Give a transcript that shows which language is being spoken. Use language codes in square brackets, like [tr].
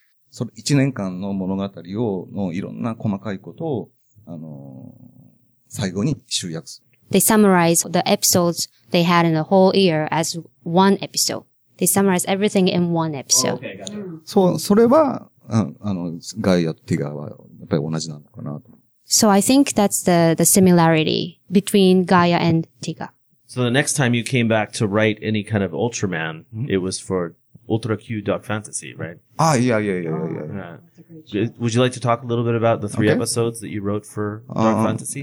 [ja] その一年間の物語をのいろんな細かいことを最後に集約する。 [en] They summarize the episodes they had in the whole year as one episode. they summarize everything in one episode. Oh, okay, got it. [ja] So, それは、ガイアとティガーはやっぱり同じなのかなと。 [en] So I think that's the similarity between Gaia and Tiga. So the next time you came back to write any kind of Ultraman, it was for Ultra Q Dark Fantasy, right? Ah, yeah. Would you like to talk a little bit about the three episodes that you wrote for Dark Fantasy?